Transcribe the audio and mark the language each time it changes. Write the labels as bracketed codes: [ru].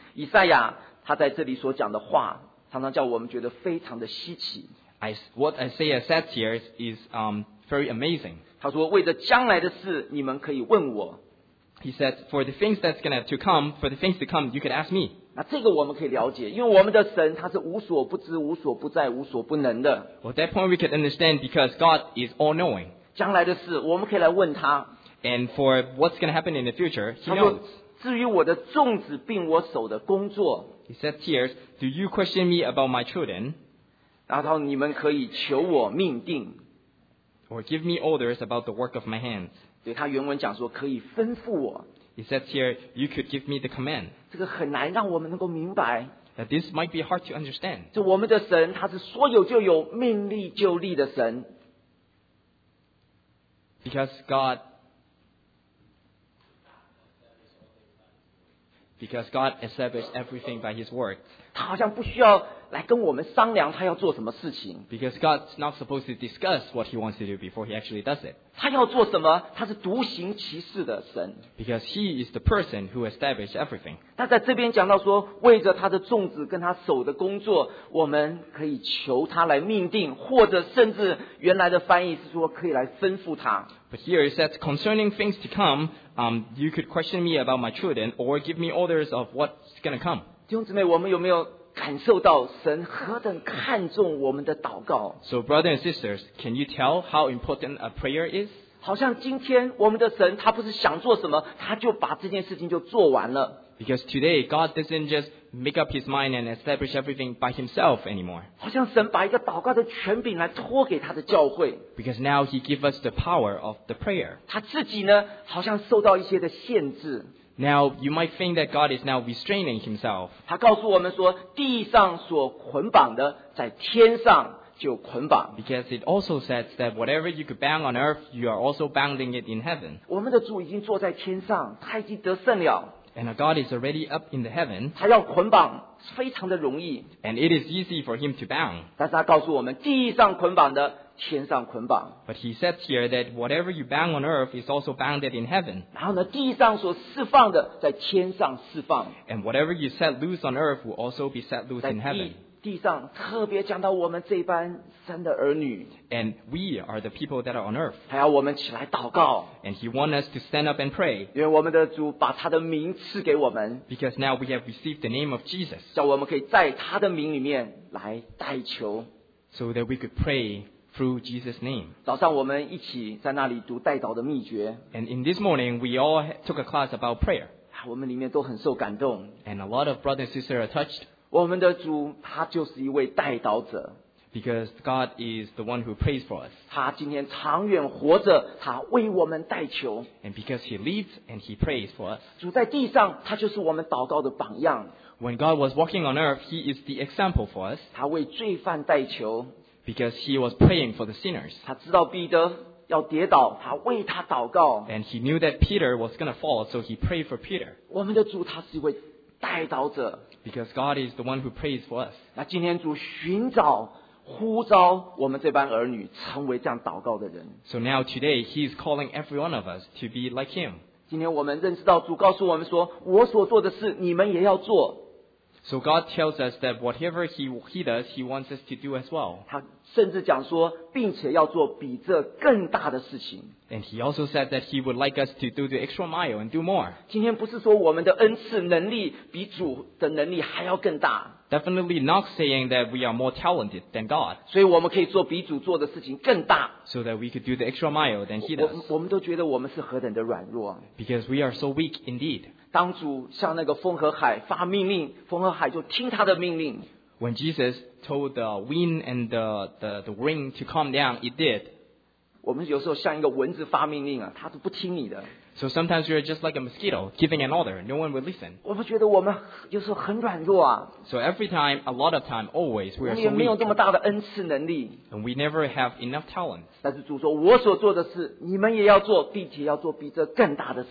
[zh] 以赛亚他在这里所讲的话常常叫我们觉得非常的稀奇。 [en] What Isaiah says here is very amazing. [zh] 他说为着将来的事你们可以问我。 [en] He said for the things that's going to come, for the things to come, you could ask me. [zh] 那这个我们可以了解，因为我们的神他是无所不知无所不在无所不能的。 [en] Well, that point we could understand because God is all knowing. [zh] 将来的事我们可以来问他。 [en] And for what's going to happen in the future, he knows. [zh] 至于我的种子并我手的工作。 [en] He said, "Tears, do you question me about my children?" [zh] 然后你们可以求我命定 [en] or give me orders about the work of my hands. [zh] 对，他原文讲说可以吩咐我。 [en] He said, "Here, you could give me the command." [zh] 这个很难让我们能够明白。 [en] That this might be hard to understand. [zh] 这我们的神，他是说有就有，命立就立的神。 [en] Because God established everything by His word. [zh] 他好像不需要来跟我们商量他要做什么事情。 [en] Because God's not supposed to discuss what He wants to do before He actually does it. [zh] 他要做什么？他是独行其事的神。 [en] Because He is the person who established everything. [zh] 他在这边讲到说，为着他的种子跟他手的工作，我们可以求他来命定，或者甚至原来的翻译是说可以来吩咐他。 [en] But here it says, concerning things to come, you could question me about my children or give me orders of what's going to come. [zh] 弟兄姊妹，我们有没有感受到神何等看重我们的祷告？ [en] So brother and sisters, can you tell how important a prayer is? [zh] 好像今天我们的神他不是想做什么他就把这件事情就做完了。 [en] Because today God doesn't just make up his mind and establish everything by himself anymore. [zh] 好像神把一个祷告的权柄来托给他的教会。 [en] Because now he gives us the power of the prayer. [zh] 他自己呢好像受到一些的限制。 [en] Now, you might think that God is now restraining himself. [zh] 他告诉我们说，地上所捆绑的，在天上就捆绑。 [en] Because it also says that whatever you could bound on earth, you are also bounding it in heaven. [zh] 我们的主已经坐在天上，他已经得胜了。 [en] And our God is already up in the heaven. [zh] 他要捆绑非常的容易。 [en] And it is easy for him to bound. [zh] 但是他告诉我们，地上捆绑的天上捆绑。 [en] But he says here that whatever you bound on earth is also bounded in heaven. [zh] 然后呢，地上所释放的在天上释放。 [en] And whatever you set loose on earth will also be set loose in heaven. [zh] 地上特别讲到我们这班神的儿女。 [en] And we are the people that are on earth. [zh] 还要我们起来祷告。 [en] And he wants us to stand up and pray. [zh] 因为我们的主把他的名赐给我们。 [en] Because now we have received the name of Jesus. [zh] 叫我们可以在他的名里面来代求。 [en] So that we could pray through Jesus' name. [zh] 早上我们一起在那里读代祷的秘诀。 [en] And in this morning, we all took a class about prayer. [zh] 我们里面都很受感动。 [en] And a lot of brothers and sisters are touched. [zh] 我们的主他就是一位代祷者。 [en] Because God is the one who prays for us. [zh] 他今天长远活着，他为我们代求。 [en] And because he lives and he prays for us. [zh] 主在地上，他就是我们祷告的榜样。 [en] When God was walking on earth, he is the example for us. [zh] 他为罪犯代求。 [en] Because he was praying for the sinners. [zh] 他知道彼得要跌倒，他为他祷告。 [en] And he knew that Peter was going to fall, so he prayed for Peter. [zh] 我们的主他是一位代祷者。 [en] Because God is the one who prays for us. [zh] 那今天主寻找呼召我们这班儿女成为这样祷告的人。 [en] So now today he is calling every one of us to be like him. [zh] 今天我们认识到主告诉我们说，我所做的事你们也要做。 [en] So God tells us that whatever he does, he wants us to do as well. [zh] 他甚至讲说，并且要做比这更大的事情。 [en] And he also said that he would like us to do the extra mile and do more. [zh] 今天不是说我们的恩赐能力比主的能力还要更大。 [en] Definitely not saying that we are more talented than God. [zh] 所以我们可以做比主做的事情更大。 [en] So that we could do the extra mile than he does. [zh] 我们都觉得我们是何等的软弱。 [en] Because we are so weak indeed. [zh] 当主向那个风和海发命令，风和海就听他的命令。 [en] When Jesus told the wind and the wind to calm down, it did. [zh] 我们有时候像一个蚊子发命令啊，他是不听你的。 [en] So sometimes you're just like a mosquito giving an order. No one will listen. [zh] 我们觉得我们有时候很软弱啊。 [en] So every time, a lot of time, always, we are so weak. [zh] 我们没有这么大的恩赐能力。 [en] And we never have enough talent. [zh] 但是主说，我所做的事，你们也要做，并且要做比这更大的事。